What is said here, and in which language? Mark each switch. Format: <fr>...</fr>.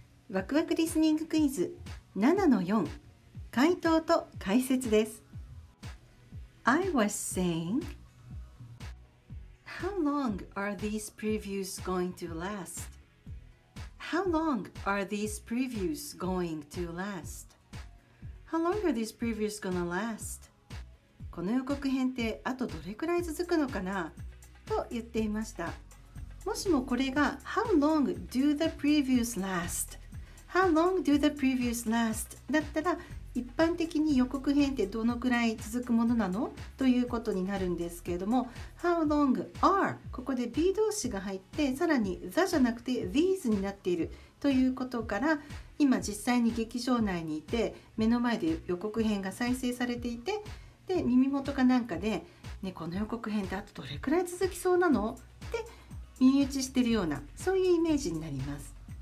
<ja>ワクワクリスニングクイズ 7-4 回答と解説です。</ja> <en>I was saying How long are these previews going to last? How long are these previews going to last? How long are these previews gonna last?</en> <ja>この予告編ってあとどれくらい続くのかなと言っていました。もしもこれが</ja> <en>How long do the previews last? How long do the previews last?</en> <ja>だったら一般的に予告編ってどのくらい続くものなのということになるんですけれども、</ja> <en>How long are</en> <ja>ここで be 動詞が入ってさらに the じゃなくて these になっているということから、今実際に劇場内にいて目の前で予告編が再生されていて、で耳元かなんかで、ね、この予告編ってあとどれくらい続きそうなのって耳打ちしているような、そういうイメージになります。</ja>